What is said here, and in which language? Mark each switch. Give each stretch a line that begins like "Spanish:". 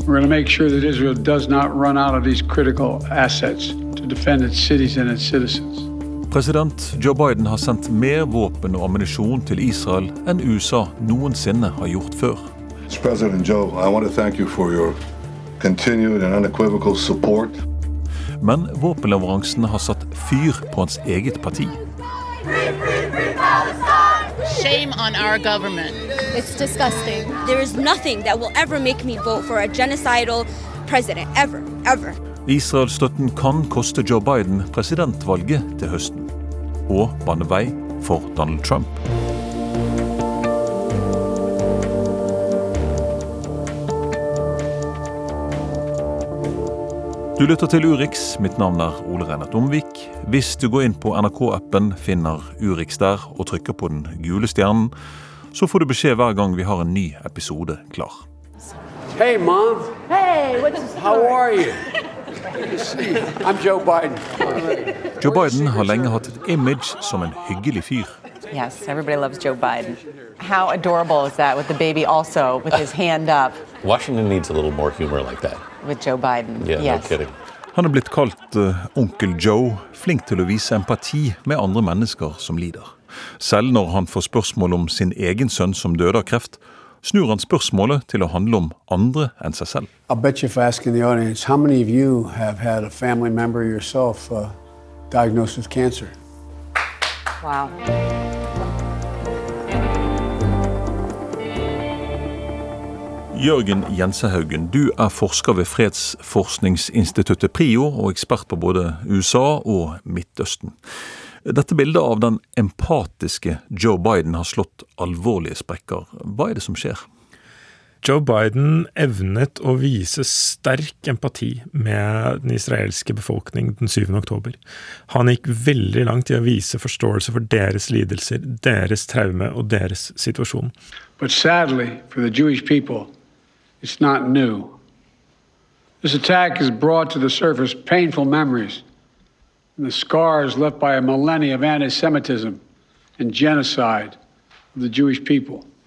English: We're going to make sure that Israel does not run out of these critical assets to defend its cities and its citizens.
Norwegian: President Joe Biden har sendt mer våpen og ammunisjon til Israel enn USA noensinne har gjort før.
English: President Joe, I want to thank you for your continued and unequivocal support.
Norwegian: Men våpenleveransene har satt fyr på hans eget parti.
English: Shame on our government. It's disgusting. There is nothing that will ever make me vote for a genocidal president, ever, ever.
Norwegian: Israel-støtten kan koste Joe Biden presidentvalget til høsten, og bane vei for Donald Trump. Du lytter til Urix. Mitt navn Ole Reinert Omvik. Hvis du går inn på NRK-appen, finner Urix der og trykker på den gule stjernen, så får du beskjed hver gang vi har en ny episode klar.
English: Hey, mom. Hey, what's the story? How are you? I'm Joe Biden. Right.
Norwegian: Joe Biden har lenge hatt et image som en hyggelig fyr.
English: Yes, everybody loves Joe Biden. How adorable is that with the baby also, with his hand up? Washington needs a little more humor like that. With Joe Biden, yeah, yes. No kidding.
Norwegian: Han har blitt kalt Onkel Joe, flink til å vise empati med andre mennesker som lider. Selv når han får spørsmål om sin egen sønn som døde av kreft, snur han spørsmålet til å handle om andre enn seg selv.
English: I'll bet you if I ask in the audience, how many of you have had a family member yourself diagnosed with cancer? Wow.
Norwegian: Jørgen Jensehaugen, du forsker ved fredsforskningsinstituttet PRIO og ekspert på både USA og Midtøsten. Dette bildet av den empatiske Joe Biden har slått alvorlige sprekker. Hva det som skjer? Joe Biden evnet å vise sterk empati med den israelske befolkningen den 7. oktober. Han gikk veldig langt i å vise forståelse for deres lidelser, deres traume og deres situasjon.
English: But sadly for the Jewish people, it's not new. This attack has brought to the surface painful memories and the scars left by a millennia of antisemitism and genocide of the Jewish people.